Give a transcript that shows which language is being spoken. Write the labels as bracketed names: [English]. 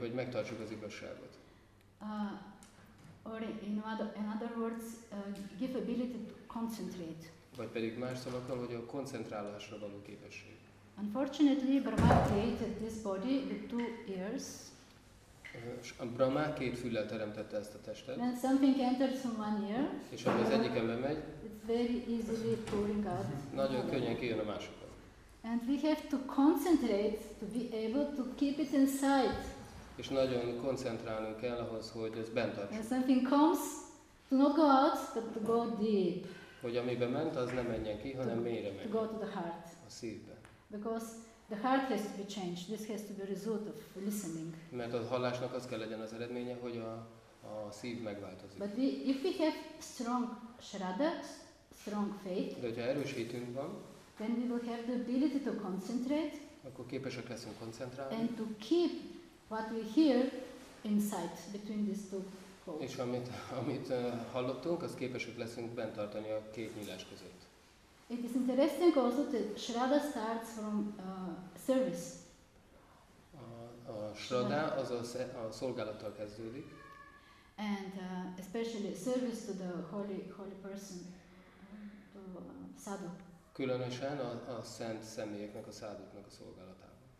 [Hungarian] hogy megtartsuk az igazságot. [English] Or in another words, give ability to concentrate. [Hungarian] Vagy pedig más szavakkal, hogy a koncentrálásra való képesség. [English] Unfortunately, Brahma created this body with two ears. [Hungarian] Brahma két füllel teremtette ezt a testet. [English] When something enters from one ear, [Hungarian] és ami az egyiken bemegy, [English] it's very easily pouring out. [Hungarian] Nagyon könnyen kijön a másikon. [English] And we have to concentrate to be able to keep it inside. [Hungarian] És nagyon koncentrálnunk kell ahhoz, hogy ez bent tartsuk. [English] When something comes, to not go out, but to go deep. [Hungarian] Hogy ami bement, az nem menjen ki, hanem mélyre menjen. [English] To go to the heart. [Hungarian] A szívbe. [English] Because the heart has to be changed. This has to be a result of listening. [Hungarian] Mert a hallásnak az kell legyen az eredménye, hogy a szív megváltozik. [English] But if we have strong Shraddha, strong faith, [Hungarian] de hogyha erős hitünk van, [English] then we will have the ability to concentrate, [Hungarian] akkor képesek leszünk koncentrálni, [English] and to keep what we hear inside between these two holes. [Hungarian] És amit hallottunk, azt képesek leszünk bent tartani a két nyílás között. [English] It is interesting also that Shraddha starts from service. [Hungarian] A Shraddha az a szolgálattal kezdődik. [English] And especially service to the holy person, to sadhu. [Hungarian] Különösen a szent személyeknek, a sadhuknak a szolgálatában.